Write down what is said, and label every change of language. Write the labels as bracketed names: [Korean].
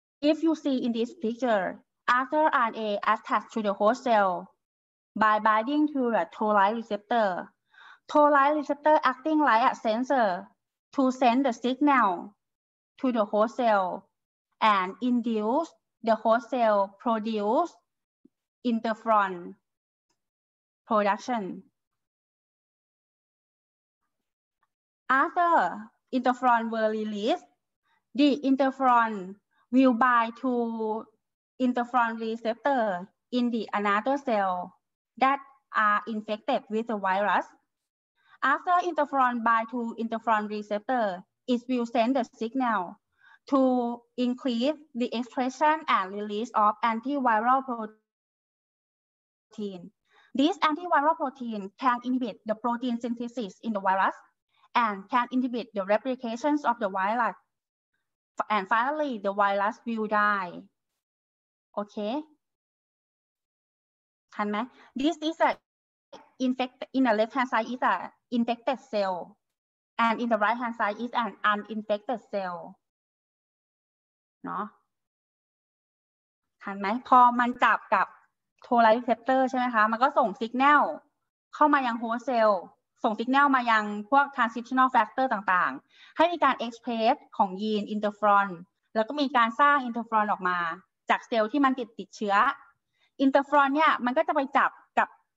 [English] If you see in this picture, after RNA attached to the host cell by binding to the toll-like receptor, toll-like receptor acting like a sensor to send the signal to the host cell and induce the host cell produce interferon production. After interferon were released, the interferon will bind to interferon receptor in the another cell that are infected with the virus. After interferon bind to interferon receptor, it will send the signal to increase the expression and release of antiviral protein. This antiviral protein can inhibit the protein synthesis in the virus and can inhibit the replications of the virus. And finally, the virus will die. Okay. [Thai] ทันไหม [English] This is a infected in the left hand side is a infected cell, and in the right hand side is an uninfected cell. [Thai] เนาะทันไหมพอมันจับกับโทไรเซปเตอร์ใช่ไหมคะมันก็ส่งสัญญาณเข้ามายังโฮสต์เซลล์ส่งสัญญาณมายังพวก transcriptional factor ต่างๆให้มีการ express ของยีนอินเตอร์ฟรอนแล้วก็มีการสร้างอินเตอร์ฟรอนออกมาจากเซลล์ที่มันติดเชื้ออินเตอร์ฟรอนเนี่ยมันก็จะไปจับกับ